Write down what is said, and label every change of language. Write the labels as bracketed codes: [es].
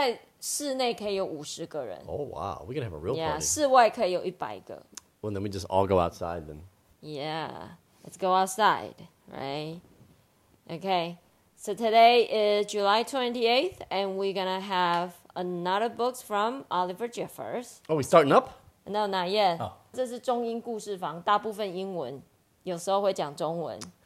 [zh] 没有,现在室内可以有50个人. [en] Oh, wow. We can have a real party. [zh] Yeah, 室外可以有100个. [en] Well, then we just all go outside then. Yeah. Let's go outside, right? Okay. So today is July 28th and we're going to have another book from Oliver Jeffers. Oh, we starting up? No, not yet. Oh. [zh] 这是中英故事房,大部分英文, 有时候会讲中文。